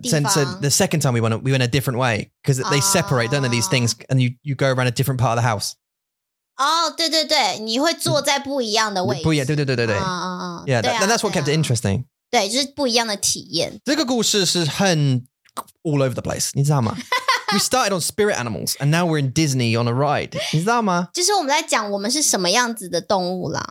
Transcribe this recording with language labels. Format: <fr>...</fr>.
<en>So the second time we went a different way because they separate, don't they, these things, and you go around a different part of the house.</en> <zh>哦，对对对，你会坐在不一样的位置。不一样，对对对对对。</zh> <en>Yeah, that's what kept it interesting.</en> <zh>对，就是不一样的体验。这个故事是很</zh> <en>all over the place,</en> <zh>你知道吗？</zh> <en>We started on spirit animals, and now we're in Disney on a ride.</en> <zh>你知道吗? 就是我们在讲我们是什么样子的动物啦。</zh>